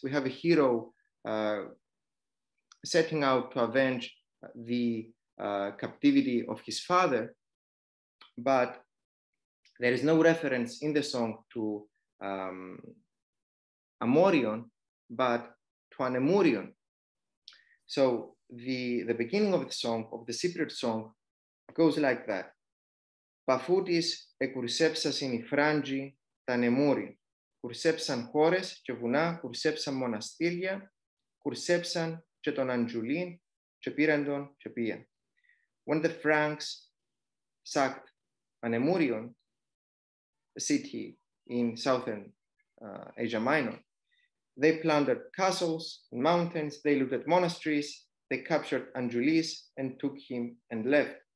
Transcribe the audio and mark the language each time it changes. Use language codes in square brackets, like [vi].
[en] We have a hero setting out to avenge the captivity of his father, but there is no reference in the song to Amorion, but to Anemurion. So the beginning of the song, of the Cypriot song, goes like that. [el] Παφούτης εκουρσέψασιν οι φράντζοι τα νεμούριν. Κουρσέψαν χώρες και βουνά, κουρσέψαν μοναστήρια, κουρσέψαν και τον Αντζουλίν και πήραν τον και πήγαν. [en] When the Franks sacked Anemurion, a city in southern Asia Minor, they plundered castles and mountains, they looted monasteries, they captured Anjulis and took him and left.